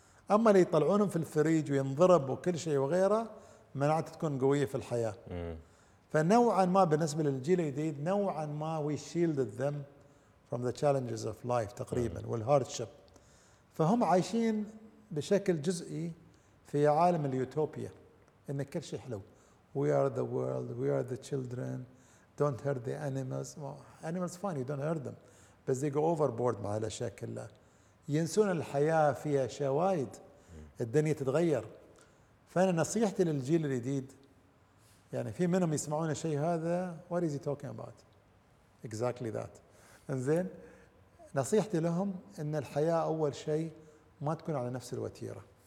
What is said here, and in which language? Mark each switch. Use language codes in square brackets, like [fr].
[ar] أما اللي يطلعونهم في الفريج وينضرب وكل شيء وغيره مناعة تكون قوية في الحياة. فنوعا ما بالنسبة للجيل الجديد نوعا ما [en] we shield them from the challenges of life [ar] تقريبا والهاردشيب، فهم عايشين بشكل جزئي في عالم اليوتوبيا إن كل شيء حلو. [en] We are the world, we are the children, don't hurt the animals. Well, animals fine, you don't hurt them, but they go overboard [ar] مع الأشياء كلها. ينسون الحياة فيها أشياء وايد، الدنيا تتغير. فأنا نصيحتي للجيل الجديد، يعني في منهم يسمعون الشيء هذا [en] what is he talking about exactly that. [ar] إنزين نصيحتي لهم إن الحياة أول شيء ما تكون على نفس الوتيرة.